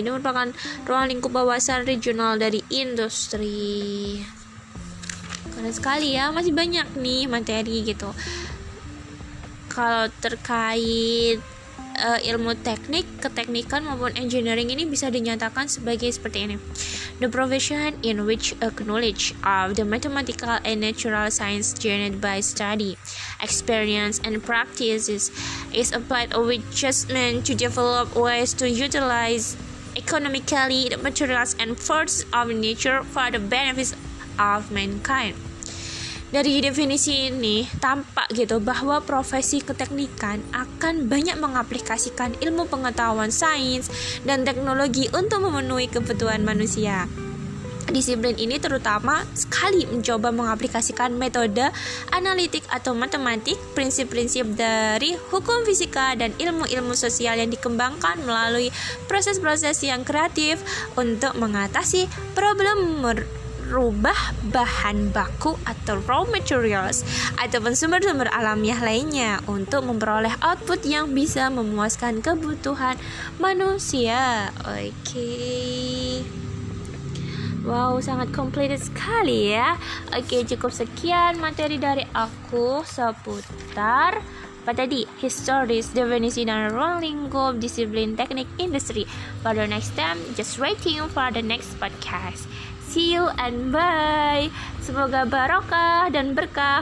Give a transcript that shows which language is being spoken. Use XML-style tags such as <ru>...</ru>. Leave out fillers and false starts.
<id>Ini merupakan ruang lingkup wawasan regional dari industri. Keren sekali ya, masih banyak nih materi gitu. Kalau terkait ilmu teknik, keteknikan maupun engineering ini bisa dinyatakan sebagai seperti ini.</id> <en>The profession in which a knowledge of the mathematical and natural science gained by study, experience and practices is applied with judgment to develop ways to utilize economically the materials and forces of nature for the benefits of mankind.</en> <id>Dari definisi ini tampak gitu bahwa profesi keteknikan akan banyak mengaplikasikan ilmu pengetahuan sains dan teknologi untuk memenuhi kebutuhan manusia. Disiplin ini terutama sekali mencoba mengaplikasikan metode analitik atau matematik, prinsip-prinsip dari hukum fisika dan ilmu-ilmu sosial yang dikembangkan melalui proses-proses yang kreatif untuk mengatasi problem rubah bahan baku atau raw materials ataupun sumber-sumber alamiah lainnya untuk memperoleh output yang bisa memuaskan kebutuhan manusia. Oke. Wow, sangat complicated sekali ya. Oke, cukup sekian materi dari aku seputar apa tadi? Historis, definisi, dan ruang lingkup, disiplin, teknik, industri.</id> <en>For the next time, just waiting for the next podcast. See you and bye.</en> <id>Semoga barokah dan berkah.</id>